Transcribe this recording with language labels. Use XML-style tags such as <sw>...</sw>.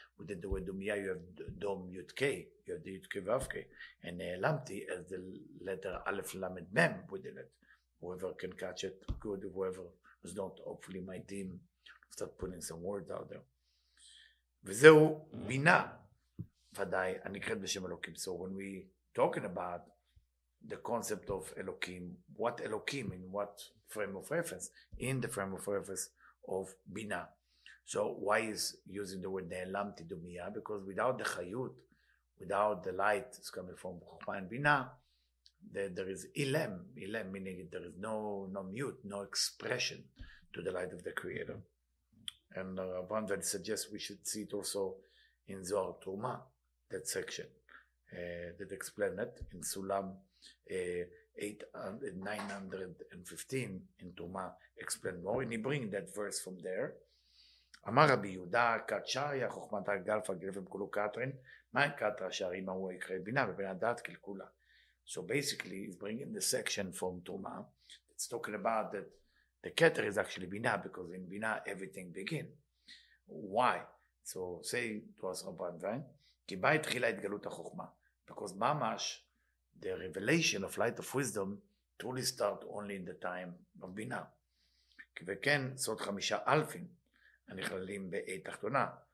<en>With the word Dumiya, you have Dom Yud K. You have the Yud K Vav K. And Lamti is the letter Aleph Lamed Mem within it. Whoever can catch it, good. Whoever is not, hopefully my team start putting some words out there.</en> <he>וזהו בינה, ודאי, הנקראת בשם אלוקים.</he> <en>So when we talking about the concept of Elokim, what Elokim, in what frame of reference? In the frame of reference of Bina. So why is using the word Ne'elam Tidumiya? Because without the Chayut, without the light that's coming from Chokhmah and Bina, there is Ilem, Ilem meaning there is no mute, no expression to the light of the Creator. And Rabban then suggests we should see it also in Zohar Tumah, that section. That explain it in Sulam 915 in Tuma explain more, and he bring that verse from there.</en> <arc>Amar Rabbi Yehuda Katsharia Chokhmat Galfa Gilvim Kulu Katrin Ma'an Katra Sharim Ahu Ekrei Bina Ve'Bina Dat Kilkula.</arc> <en>So basically he's bringing the section from Tuma. It's talking about that the Keter is actually Bina, because in Bina everything begin. Why? So say to us Rabban Vain,</en> <he>כי בה התחילה התגלות החוכמה.</he> <en>Because ממש, the revelation of light of wisdom truly start only in the time of Bina.</en> <he>וכן, סוד חמישה אלפים הנכללים בעת תחתונה.</he>